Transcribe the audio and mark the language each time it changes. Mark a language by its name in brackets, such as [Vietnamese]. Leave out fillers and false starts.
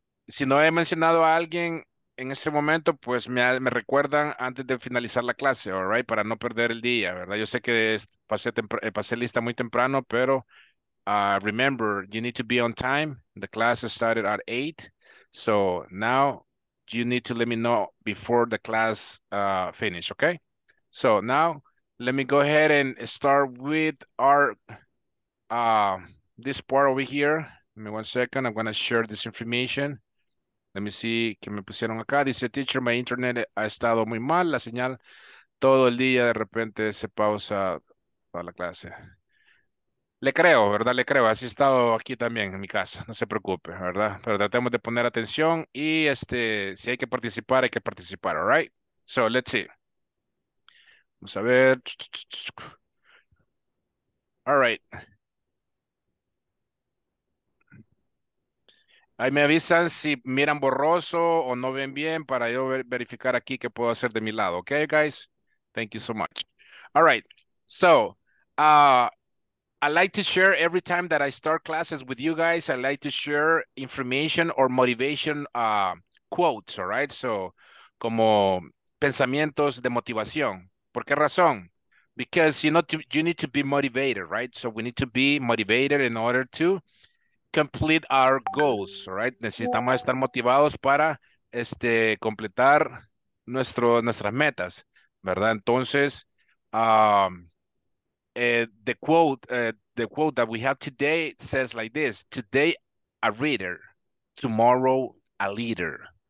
[Spanish] Si no he mencionado a alguien en este momento, pues me recuerdan antes de finalizar la clase, [English] all right, [Spanish] para no perder el día, ¿verdad? Yo sé que pasé lista muy temprano, pero [English] remember, you need to be on time. The class started at 8. So now you need to let me know before the class finish, okay? So now let me go ahead and start with our this part over here. Give me 1 second. I'm going to share this information. Let me see [Spanish] que me pusieron acá. Dice, [English] teacher, my internet [Spanish] ha estado muy mal. La señal todo el día de repente se pausa para la clase. Le creo, ¿verdad? Le creo. Así he estado aquí también en mi casa. No se preocupe, ¿verdad? Pero tratemos de poner atención y si hay que participar, hay que participar. [English] All right? So, let's see. [Spanish] Vamos a ver. [English] All right. [Spanish] Ahí me avisan si miran borroso o no ven bien para yo verificar aquí qué puedo hacer de mi lado. [English] Okay, guys? Thank you so much. All right. So, I like to share every time that I start classes with you guys, I like to share information or motivation quotes, all right? So, [Spanish] como pensamientos de motivación. ¿Por qué razón? [English] Because you need to be motivated, right? So, we need to be motivated in order to complete our goals, right? [Spanish] Necesitamos estar motivados para completar nuestras metas, ¿verdad? Entonces, [English] the quote that we have today says like this: today a reader, tomorrow a leader.